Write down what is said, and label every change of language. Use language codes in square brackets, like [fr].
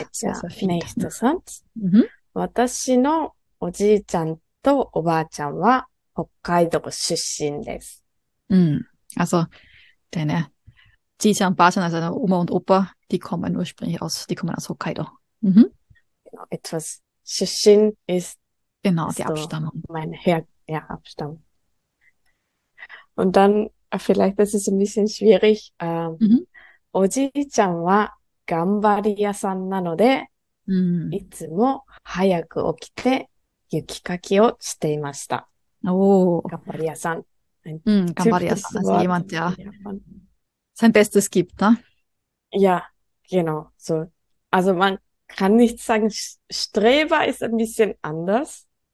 [ja] はい、じゃあ、ネイストさん。私のおじいちゃんとおばあちゃんは北海道出身です。 [de] Also, deine Jiji und Bajan, also deine Oma und Opa, die kommen aus Hokkaido. Genau, etwas 出身 ist, Genau, die so, Abstammung. mein Herabstamm. Und dann, vielleicht ist es ein bisschen schwierig, [ja] おじいちゃんは頑張り屋さんなので、いつも早く起きて雪かきをしていました。頑張り屋さん。頑張り屋さん。 [de] Also jemand, der sein Bestes gibt, ne? Ja, genau. So. Also man kann nicht sagen, Streber ist ein bisschen anders.